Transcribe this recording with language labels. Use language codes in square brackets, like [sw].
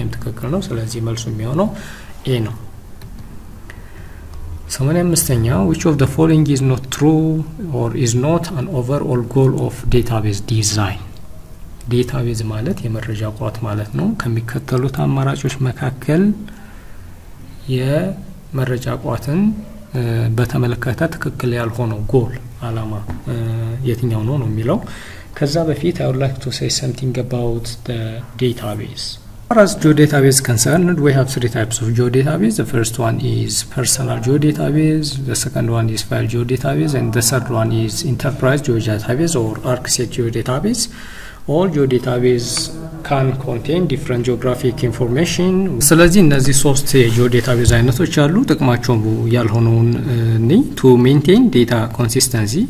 [am] ይሄም ትክክል ነው። ስለዚህ መልሱ የሚሆነው A ነው። ሰማንያ አምስተኛ [en] which of the following is not true or is not an overall goal of database design? [am] ዴታቤዝ ማለት የመረጃ ቋት ማለት ነው። ከሚከተሉት አማራጮች መካከል የመረጃ ቋትን በተመለከተ ትክክል ያልሆነው ጎል አላማ የትኛው ነው ነው የሚለው። ከዛ በፊት [en] I would like to say something about the database. For us geodatabase concerned, we have three types of geodatabase. The first one is personal geodatabase, the second one is file geodatabase, and the third one is enterprise geodatabase or ArcSet geodatabase. All geodatabase can contain different geographic information. [am] ስለዚህ እነዚህ ሶስት የጂኦዴታቤዝ አይነቶች አሉ። ጥቅማቸው ያልሆነውን ነኝ [en] to maintain data consistency.